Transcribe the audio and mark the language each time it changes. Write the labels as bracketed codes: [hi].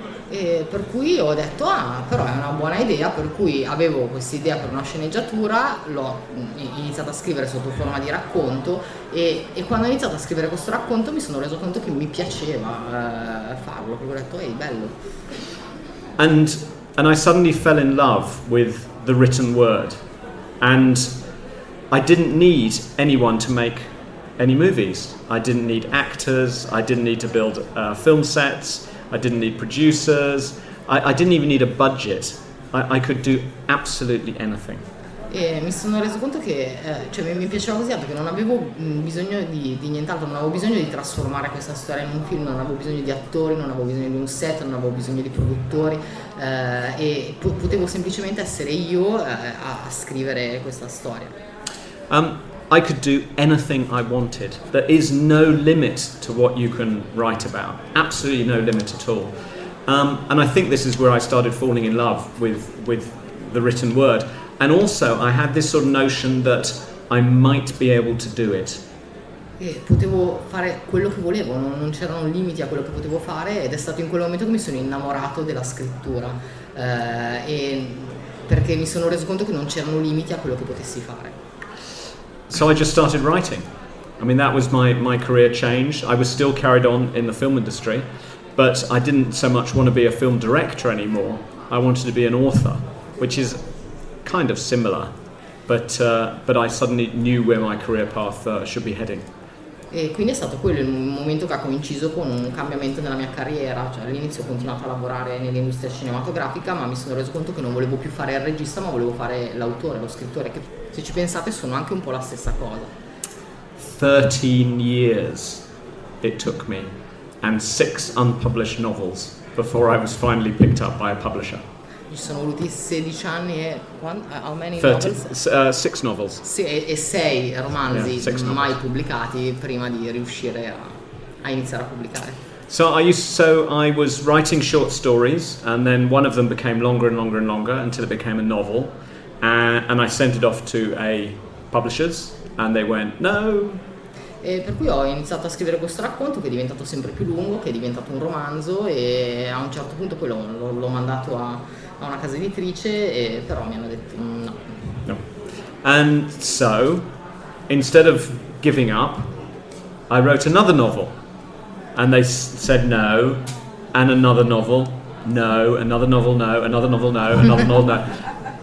[it] E per cui ho detto, ah, però è una buona idea, per cui avevo questa idea per una sceneggiatura, l'ho iniziato a scrivere sotto forma di racconto, e quando ho iniziato a scrivere questo racconto mi sono reso conto che mi piaceva farlo, perché ho detto, ehi, bello. [en] And I suddenly fell in love with the written word, and I didn't need anyone to make any movies. I didn't need actors, I didn't need to build film sets, I didn't need producers, I didn't even need a budget. I could do absolutely anything. [it] E mi sono reso conto che mi piaceva così perché non avevo bisogno di nient'altro, non avevo bisogno di trasformare questa storia in un film, non avevo bisogno di attori, non avevo bisogno di un set, non avevo bisogno di produttori, e potevo semplicemente essere io a scrivere questa storia. [en] I could do anything I wanted. There is no limit to what you can write about. Absolutely no limit at all. And I think this is where I started falling in love with the written word. And also, I had this sort of notion that I might be able to do it. [it] E potevo fare quello che volevo, non c'erano limiti a quello che potevo fare, ed è stato in quel momento che mi sono innamorato della scrittura. E perché mi sono reso conto che non c'erano limiti a quello che potessi fare. [en] So I just started writing. I mean, that was my career change. I was still carried on in the film industry, but I didn't so much want to be a film director anymore. I wanted to be an author, which is kind of similar, but I suddenly knew where my career path should be heading. [it] E quindi è stato quello il momento che ha coinciso con un cambiamento nella mia carriera. Cioè, all'inizio ho continuato a lavorare nell'industria cinematografica, ma mi sono reso conto che non volevo più fare il regista, ma volevo fare l'autore, lo scrittore, che se ci pensate sono anche un po' la stessa cosa. [en] 13 years it took me and 6 unpublished novels before I was finally picked up by a publisher. [it] Ci sono voluti 16 anni e [en] how many 30, novels? 6 novels. [it] Sì, e 6 romanzi, yeah, 6 mai novels pubblicati prima di riuscire a iniziare a pubblicare. [en] So I was writing short stories and then one of them became longer and longer and longer until it became a novel. And I sent it off to a publishers and they went no. [it] E per cui ho iniziato a scrivere questo racconto che è diventato sempre più lungo, che è diventato un romanzo, e a un certo punto poi l'ho mandato a una casa editrice, e però mi hanno detto no. [en] No. And so instead of giving up, I wrote another novel and they said no, and another novel no, another novel, no, another novel, no, another novel, no.